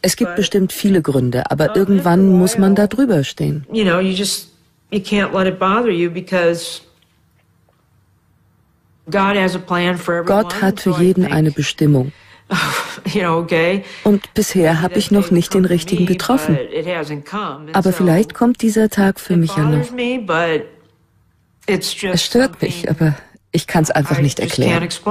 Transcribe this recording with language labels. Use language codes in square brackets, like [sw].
[de] es gibt bestimmt viele Gründe, aber irgendwann muss man da drüber stehen. [en] You know, you can't let it bother you because God has a plan for everyone. [de] Gott hat für jeden eine Bestimmung. [en] You know, okay. [de] Und bisher habe ich noch nicht den richtigen getroffen. Aber vielleicht kommt dieser Tag für mich ja noch. Es stört mich, aber ich kann es einfach nicht erklären.